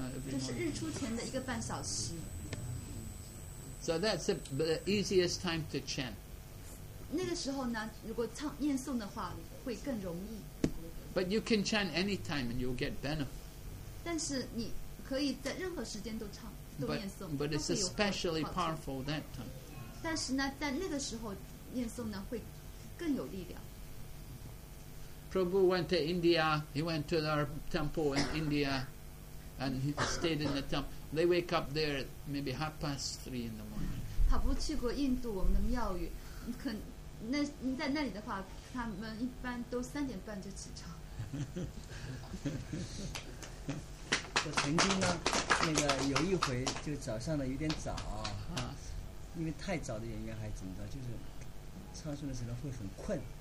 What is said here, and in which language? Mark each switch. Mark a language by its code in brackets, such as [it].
[zh] 就是日出前的一个半小时。 [en] So that's the easiest time to chant. [zh] 那个时候呢，如果唱念诵的话会更容易。 [en] But you can chant anytime and you'll get benefit. [zh] 但是你可以在任何时间都唱都念诵。 [en] But it's especially powerful that time. [zh] 但是呢，在那个时候念诵呢会更有力量。 [en] Prabhu went to India. He went to our temple in India, and he stayed in the temple. They wake up there maybe 3:30 in the morning. [zh] 他不去过印度我们的庙宇，可那你在那里的话，他们一般都3:30就起床。我曾经呢，那个有一回就早上的有点早啊。因为太早的原因还怎么着，就是唱诵的时候会很困。